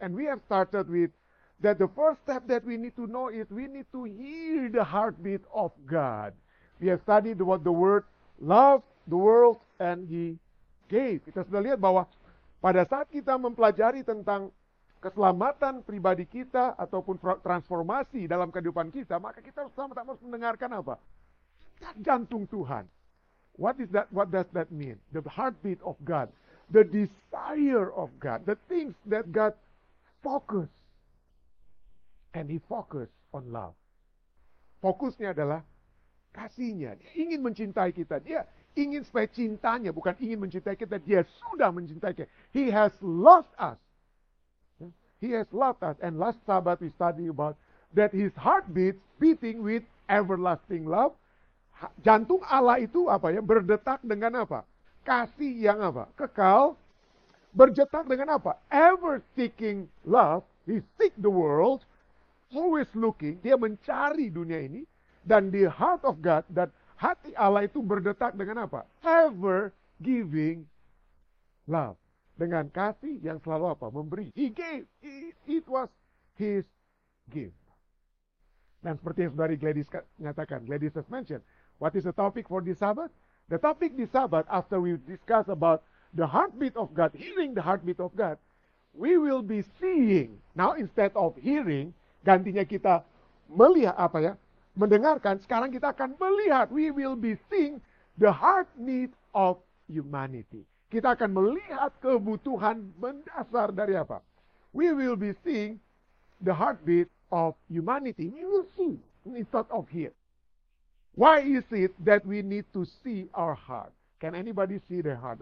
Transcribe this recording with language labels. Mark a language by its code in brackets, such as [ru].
[en] And we have started with that the first step that we need to know is we need to hear the heartbeat of God. We have studied what the word love, the world, and he gave. [id] Kita sudah lihat bahwa pada saat kita mempelajari tentang keselamatan pribadi kita ataupun transformasi dalam kehidupan kita, maka kita harus mendengarkan apa? Jantung Tuhan. [en] What is that? What does that mean? The heartbeat of God. The desire of God. The things that God focus. And he focus on love. [id] Fokusnya adalah kasihnya. Dia ingin mencintai kita. Dia ingin supaya cintanya, bukan ingin mencintai kita. Dia sudah mencintai kita. [en] He has loved us. He has loved us. And last Sabbath we study about that his heart beating with everlasting love. [id] Jantung Allah itu apa ya? Berdetak dengan apa? Kasih yang apa? Kekal. Berdetak dengan apa? [en] Ever seeking love. He seek the world. Always looking, [id] dia mencari dunia ini, dan [en] the heart of God, [id] dan hati Allah itu berdetak dengan apa? [en] Ever giving love. [id] Dengan kasih yang selalu apa? Memberi. [en] He gave. It was his gift. [id] Dan seperti yang saudari Gladys nyatakan, [en] Gladys has mentioned, what is the topic for this Sabbath? The topic this Sabbath, after we discuss about the heartbeat of God, hearing the heartbeat of God, we will be seeing, now instead of hearing, [id] gantinya kita melihat apa ya, mendengarkan, sekarang kita akan melihat, [en] we will be seeing the heart need of humanity. [id] Kita akan melihat kebutuhan mendasar dari apa? [en] We will be seeing the heartbeat of humanity. We will see instead of hear. Why is it that we need to see our heart? Can anybody see their heart?